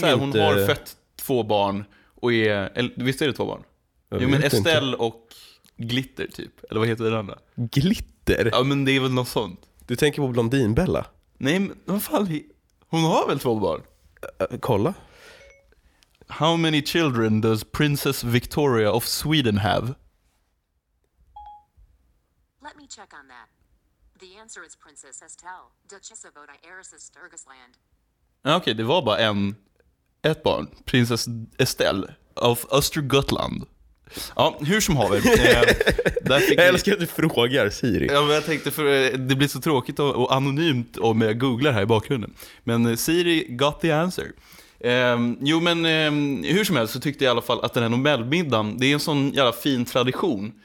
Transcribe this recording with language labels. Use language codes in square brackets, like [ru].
[sv] så här, inte. Hon har fött två barn och är, eller, visst är det två barn? Jo, men Estelle inte. Och Glitter typ, eller vad heter det andra? Glitter? Ja, men det är väl något sånt. Du tänker på Blondinbella? Nej, men vad fan, hon har väl två barn? Kolla. [en] How many children does Princess Victoria of Sweden have? Let me check on that. The answer is Princess Estelle, Duchess of Odi Arises Sturgisland. [sv] Okej, det var bara ett barn. Princess Estelle of Östergötland. Ja, hur som har vi. Där fick jag älskar att du frågar, Siri. Ja, men jag tänkte, för det blir så tråkigt och anonymt om jag googlar här i bakgrunden. Men Siri [en] got the answer. [sv] Jo, men hur som helst så tyckte jag i alla fall att den här Nobelmiddagen, det är en sån jävla fin tradition.